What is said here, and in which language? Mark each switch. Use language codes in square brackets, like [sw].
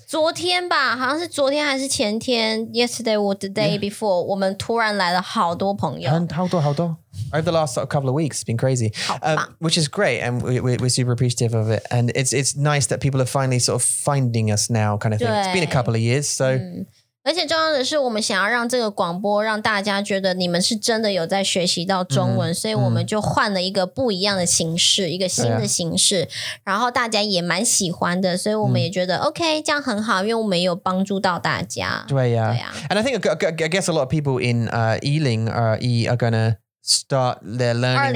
[zh] 昨天吧，好像是昨天还是前天 , [en] yesterday or the day before,、 [zh] yeah. 我们突然来了好多朋友。好多好多。 [en] Over the last couple of weeks, it's been crazy, which is great. And we're super appreciative of it. And it's nice that people are finally sort of finding us now kind of thing. It's been a couple of years, so...、Mm. [zh] 而且重要的是我们想要让这个广播让大家觉得你们是真的有在学习到中文、所以我们就换了一个不一样的形式、一个新的形式、然后大家也蛮喜欢的所以我们也觉得、OK, 这样很好因为我们也有帮助到大家对呀、 [en] And I think I guess a lot of people in Yiling are gonna start their learning